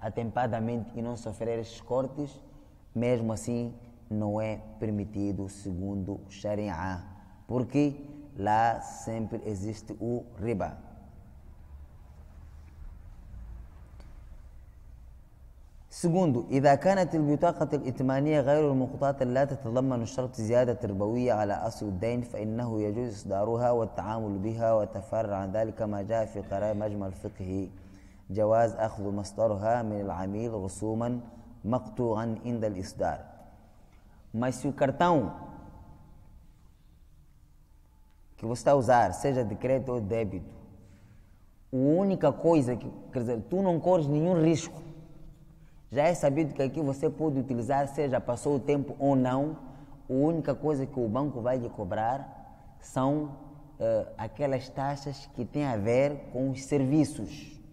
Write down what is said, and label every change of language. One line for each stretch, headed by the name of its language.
Portuguese: atempadamente e não sofrer esses cortes, mesmo assim não é permitido segundo o Sharia, porque lá sempre existe o riba. Segundo,
Arabic: إذا كانت البطاقة الائتمانية غير المقطعة التي تتضمن الشرط زيادة ربوية على أصل الدين فإنه يجوز إصدارها والتعامل بها وتفرع عن ذلك ما جاء في قرائن مجمع الفقه جواز أخذ مصدرها من العميل رسوما مقطوعا عند الإصدار.
Portuguese: Mas se o cartão que você está a usar, seja de crédito ou débito, a única coisa que, quer dizer, tu não corres nenhum risco, já é sabido que aqui você pode utilizar, seja passou o tempo ou não, a única coisa que o banco vai lhe cobrar são aquelas taxas que têm a ver com os serviços.